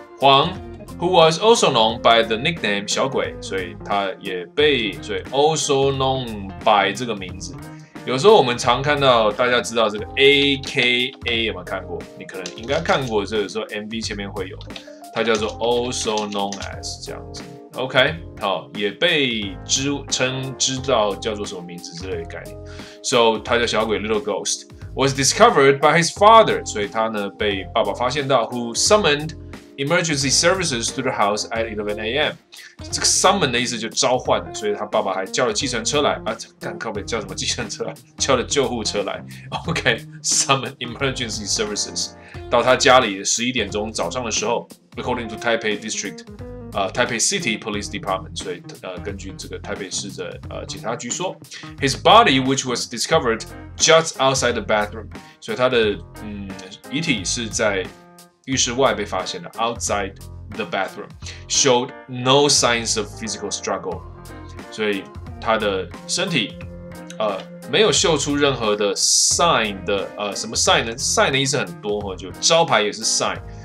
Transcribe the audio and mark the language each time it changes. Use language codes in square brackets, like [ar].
[en] Huang, who was also known by the nickname [zh] 小鬼，所以他也被所以 [en] also known by [zh] 这个名字。有时候我们常看到大家知道这个 AKA 有没有看过？你可能应该看过，这个时候 MV 前面会有，他叫做 [en] also known as [zh] 这样子。 OK， 好，也被知道叫做什么名字之类的概念。 [en] So， [zh] 他叫小鬼 [en] Little Ghost， was discovered by his father， [zh] 所以他呢被爸爸发现到 [en] ，who summoned emergency services to the house at 11 a.m. [zh] 这个 summon 的意思就召唤，所以他爸爸还叫了计程车来啊，干靠北叫什么计程车？叫了救护车来。OK， [en] summon emergency services [zh] 到他家里11点钟早上的时候 ， [en] according to Taipei District。 [zh] Taipei City Police Department， 所以根据这个台北市的警察局说 ， [en] his body which was discovered just outside the bathroom， [zh] 所以他的遗体是在浴室外被发现的 ， [en] outside the bathroom showed no signs of physical struggle， [zh] 所以他的身体没有秀出任何的 sign 的什么 sign 呢 ？sign 的意思很多哈，就招牌也是 sign。